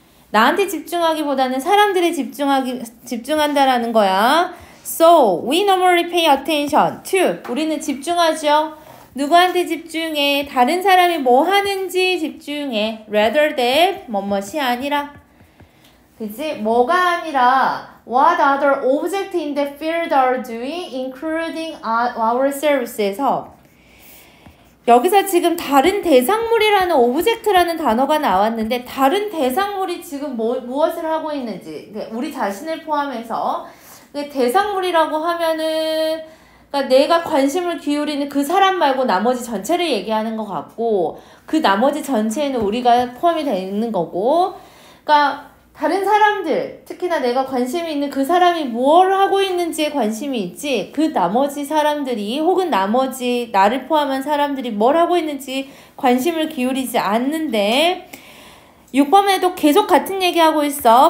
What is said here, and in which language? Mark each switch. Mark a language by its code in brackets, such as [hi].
[ko] 나한테 집중하기보다는 사람들에 집중한다라는 거야. [en] So, we normally pay attention to. [ko] 우리는 집중하죠. 누구한테 집중해? 다른 사람이 뭐 하는지 집중해. Rather than 뭐뭇이 아니라. 그치? 뭐가 아니라 [en] What other objects in the field are doing, including ourselves? [ko] 에서 여기서 지금 다른 대상물이라는 오브젝트라는 단어가 나왔는데 다른 대상물이 지금 무엇을 하고 있는지 우리 자신을 포함해서 대상물이라고 하면은 그러니까 내가 관심을 기울이는 그 사람 말고 나머지 전체를 얘기하는 것 같고 그 나머지 전체에는 우리가 포함이 되는 거고 그러니까 다른 사람들, 특히나 내가 관심이 있는 그 사람이 뭘 하고 있는지에 관심이 있지 그 나머지 사람들이 혹은 나머지 나를 포함한 사람들이 뭘 하고 있는지 관심을 기울이지 않는데 6번에도 계속 같은 얘기하고 있어.